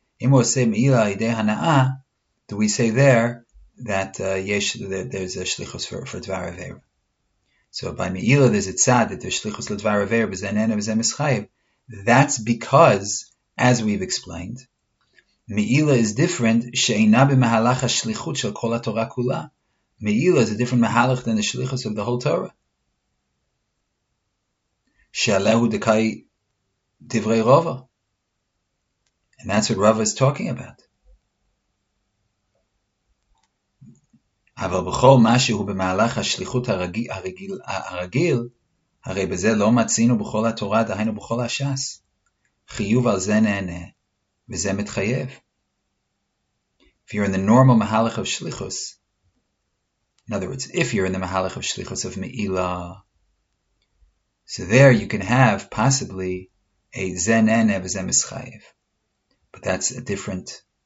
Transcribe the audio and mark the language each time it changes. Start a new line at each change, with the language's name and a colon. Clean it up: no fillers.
Hebrew: אם הוא עושה מעילה על ידי הנאה,
English: do we say there that, יש, that there's a שליחוס for דבר עבר? So by מעילה there's a צד that there's שליחוס לדבר עבר,
Hebrew: וזה נהנה וזה מסחייב.
English: That's because, as we've explained, מעילה is different
Hebrew: שאינה במהלך השליחות של כל התורה כולה.
English: מעילה is a different מהלך than the שליחוס of the whole Torah.
Hebrew: שעליהו דקאי דברי רובה.
English: And that's what Rava is talking about.
Hebrew: אבל בכל משהו במהלך השליחות הרגיל, הרי בזה לא מצינו בכל התורה, דהיינו בכל השס. חיוב על זה נהנה, וזה מתחייב.
English: If you're in the normal מהלך of שליחוס, in other words, if you're in the מהלך of שליחוס of מעילה, so there you can have possibly a zenene v'zemeschayev, but that's a different